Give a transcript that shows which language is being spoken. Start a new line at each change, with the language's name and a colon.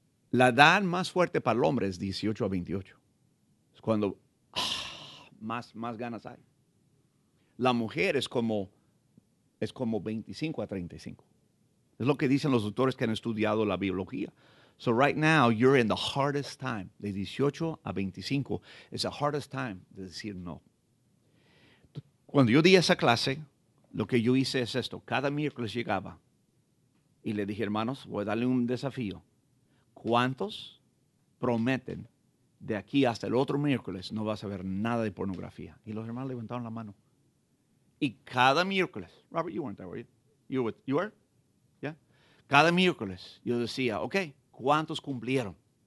Spanish: La edad más fuerte para el hombre es 18 a 28. Es cuando más ganas hay. La mujer es como 25 a 35. Es lo que dicen los doctores que han estudiado la biología.
English: So right now, you're in the hardest time.
Spanish: De 18 a 25,
English: it's the hardest time
Spanish: de decir no. Cuando yo di esa clase, lo que yo hice es esto. Cada miércoles llegaba y le dije, hermanos, voy a darle un desafío. ¿Cuántos prometen de aquí hasta el otro miércoles no vas a ver nada de pornografía? Y los hermanos levantaron la mano. Y cada miércoles,
English: Robert, you weren't there, were you? You were? Yeah.
Spanish: Cada miércoles yo decía, ok, ¿cuántos cumplieron?